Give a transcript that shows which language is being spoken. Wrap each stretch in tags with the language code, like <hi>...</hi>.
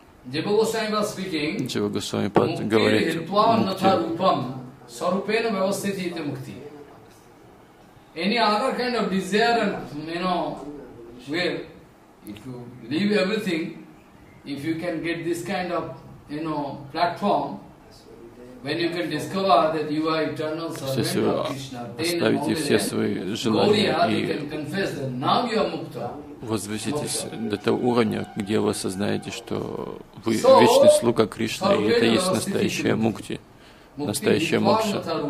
<ru>Джива Госвами Пад говорит, мукти.</ru> <en>Any other kind of desire, and you know, where if you leave everything, if you can get this kind of, you know, platform, when you can discover that you are eternal servant of Krishna, then all of you, Gloria, you can confess that now you are mukta.</en> <ru>Возвыситесь до того уровня, где вы осознаете, что вы вечный слуга Кришны, и это есть настоящая мукти, настоящая мокша.</ru>